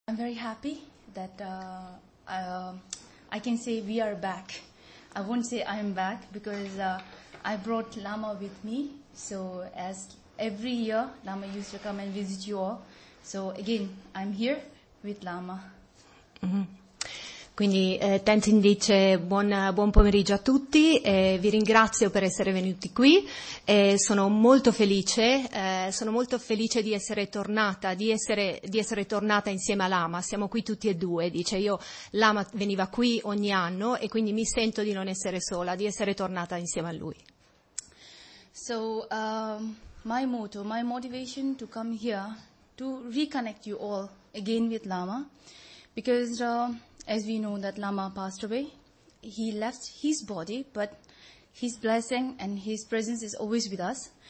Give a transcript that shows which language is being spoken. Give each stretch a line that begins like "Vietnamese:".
English: I'm very happy that I can say we are back. I won't say I'm back because I brought Lama with me. So as every year, Lama used to come and visit you all. So again, I'm here with Lama. Mm-hmm.
Italian: Quindi Tenzin dice buon pomeriggio a tutti, vi ringrazio per essere venuti qui, sono molto felice di essere tornata insieme a Lama, siamo qui tutti e due, dice io, Lama veniva qui ogni anno e quindi mi sento di non essere sola, di essere tornata insieme a lui.
English: So, my motto, my motivation to come here to reconnect you all again with Lama, because... As we know that Lama passed away, he left his body, but his blessing and his presence is always with us.